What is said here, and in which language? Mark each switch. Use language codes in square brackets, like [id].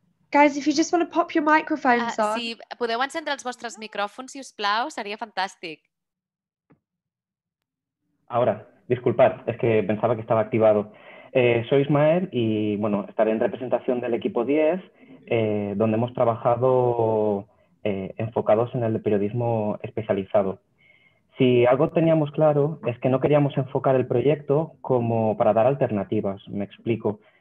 [en] Guys, if you just want to pop your microphones on. [ca] Si podeu encendre els vostres micròfons, si us plau, seria fantàstic. [es] Ahora, disculpad, es que pensaba que estaba activado. Soy Ismael y bueno, estaré en representación del equipo 10, donde hemos trabajado enfocados en el periodismo especializado. Si algo teníamos claro es que no queríamos enfocar el proyecto como para dar alternativas, me explico.